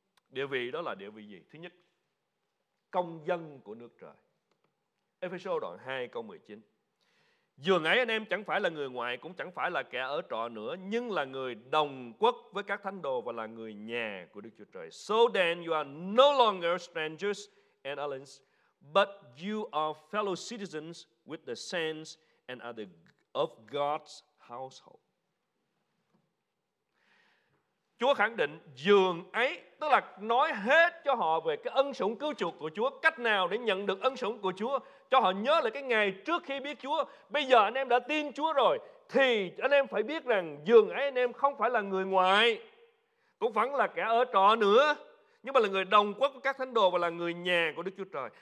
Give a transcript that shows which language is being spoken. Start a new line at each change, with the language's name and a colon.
Vietnamese: Địa vị đó là địa vị gì? Thứ nhất, công dân của nước trời. Ê-phê-sô đoạn 2 câu 19. Dường ấy anh em chẳng phải là người ngoài, cũng chẳng phải là kẻ ở trọ nữa, nhưng là người đồng quốc với các thánh đồ và là người nhà của Đức Chúa Trời.
English: So then you are no longer strangers and aliens, but you are fellow citizens with the saints and are of God's household.
Vietnamese: Chúa khẳng định dường ấy, tức là nói hết cho họ về cái ân sủng cứu chuộc của Chúa, cách nào để nhận được ân sủng của Chúa, cho họ nhớ lại cái ngày trước khi biết Chúa. Bây giờ anh em đã tin Chúa rồi, thì anh em phải biết rằng dường ấy anh em không phải là người ngoài, cũng vẫn là kẻ ở trọ nữa, nhưng mà là người đồng quốc của các thánh đồ và là người nhà của Đức Chúa Trời.